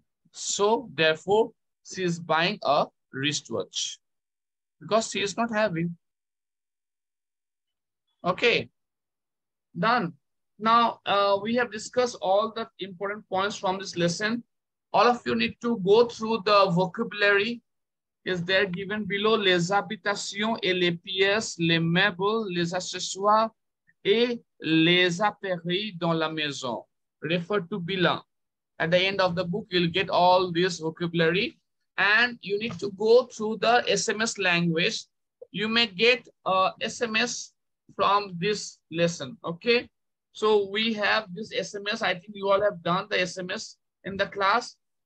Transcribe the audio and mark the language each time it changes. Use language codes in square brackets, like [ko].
[en] So, therefore, she is buying a wristwatch. Because she is not having. Okay. Done. Now, we have discussed all the important points from this lesson. All of you need to go through the vocabulary. Is there given below? [fr] Les habitations et les pièces, les meubles, les accessoires et les appareils dans la maison. [en] Refer to bilan. At the end of the book, you'll get all this vocabulary. And you need to go through the SMS language. You may get a SMS from this lesson. Okay. So we have this SMS. I think you all have done the SMS in the class.